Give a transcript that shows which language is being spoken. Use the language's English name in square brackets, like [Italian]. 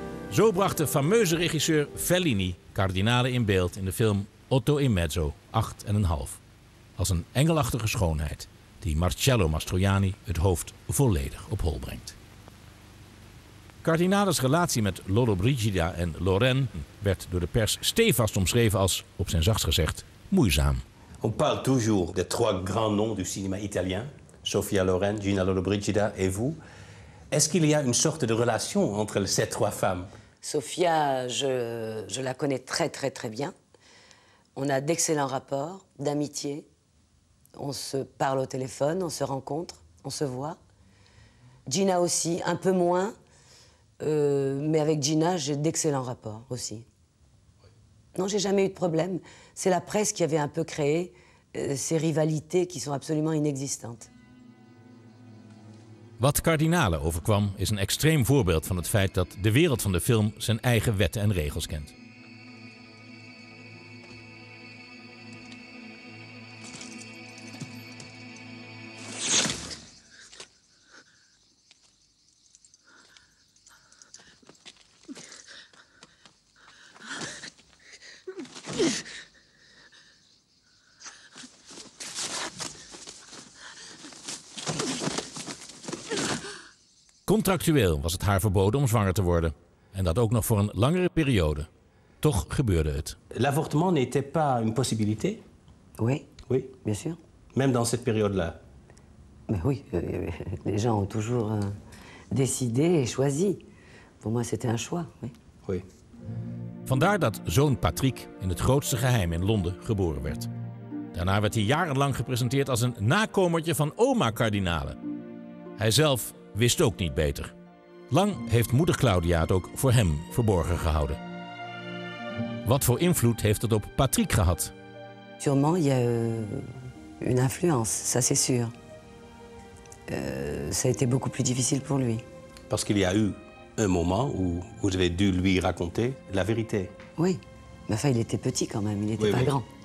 [Dutch] Zo bracht de fameuze regisseur Fellini Cardinale in beeld in de film Otto in Mezzo, 8,5. Als een engelachtige schoonheid die Marcello Mastroianni het hoofd volledig op hol brengt. Cardinale's relatie met Lollobrigida en Loren werd door de pers stevast omschreven als, op zijn zachtst gezegd, moeizaam. [French] On parle toujours des trois grands noms du cinéma italien, Sophia Loren, Gina Lollobrigida et vous. Est-ce qu'il y a une sorte de relation entre ces trois femmes? Sophia, je la connais très très très bien. On a d'excellents rapports, d'amitié. On se parle au téléphone, on se rencontre, on se voit. Gina aussi, un peu moins. Mais avec Gina, j'ai d'excellents rapports aussi. Non, j'ai jamais eu de problème. C'est la presse qui avait un peu créé ces rivalités qui sont absolument inexistantes. [Dutch] Wat Cardinale overkwam is een extreem voorbeeld van het feit dat de wereld van de film zijn eigen wetten en regels kent. Contractueel was het haar verboden om zwanger te worden. En dat ook nog voor een langere periode. Toch gebeurde het. [French] L'avortement n'était pas une possibilité? Oui. Oui, bien sûr. Même dans cette période-là? Mais oui, les gens ont toujours décidé et choisi. Pour moi, c'était un choix. Oui. Oui. [Dutch] Vandaar dat zoon Patrick in het grootste geheim in Londen geboren werd. Daarna werd hij jarenlang gepresenteerd als een nakomertje van oma Cardinale. Hij zelf wist ook niet beter. Lang heeft moeder Claudia het ook voor hem verborgen gehouden. Wat voor invloed heeft het op Patrick gehad? [French] Sûrement, il y a une influence, ça c'est sûr. Ça a été beaucoup plus difficile pour lui. Parce qu'il y a eu un moment où vous avez dû lui raconter la vérité. Oui, mais enfin, il était petit quand même, il n'était pas grand.